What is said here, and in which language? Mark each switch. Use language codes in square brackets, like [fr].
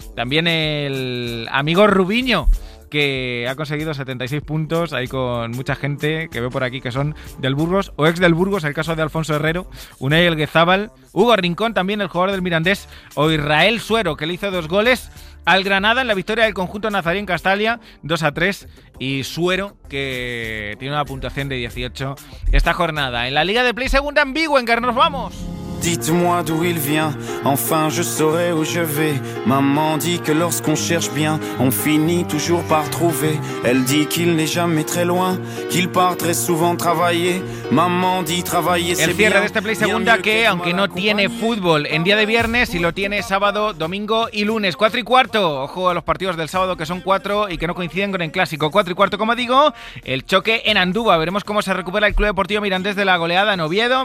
[es] También el amigo Rubiño, que ha conseguido 76 puntos ahí con mucha gente que veo por aquí que son del Burgos o ex del Burgos, el caso de Alfonso Herrero, Unai Elguezábal, Hugo Rincón también, el jugador del Mirandés, o Israel Suero, que le hizo 2 goles al Granada en la victoria del conjunto nazarí en Castalia, 2-3, y Suero, que tiene una puntuación de 18 esta jornada. En la Liga de Play Segunda, en Biwenger, ¡nos vamos! [fr] Dites-moi d'où il vient, enfin je saurai où je vais. Maman dit que lorsqu'on cherche bien, on finit toujours par trouver. Elle dit qu'il n'est jamais très loin, qu'il part très souvent travailler. Maman dit travailler c'est bien. [es] El cierre de este Play Segunda que, aunque no tiene fútbol en día de viernes, y lo tiene sábado, domingo y lunes, 4:15. Ojo a los partidos del sábado, que son 4 y que no coinciden con el clásico. 4:15, como digo, el choque en Anduba. Veremos cómo se recupera el Club Deportivo Mirandés de la goleada en Oviedo.